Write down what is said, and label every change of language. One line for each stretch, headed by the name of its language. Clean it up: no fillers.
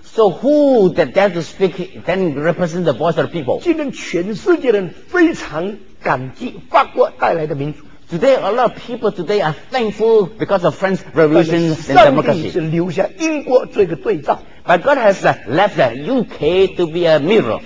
English: So who that dare to speak then represent the voice of the people?
Chinese: 今天全世界人非常感激法国带来的民主。
English: Today, a lot of people today are thankful because of France Revolution and democracy.
Chinese: 上帝是留下英国做一个对照。
English: But God has left the UK to be a mirror.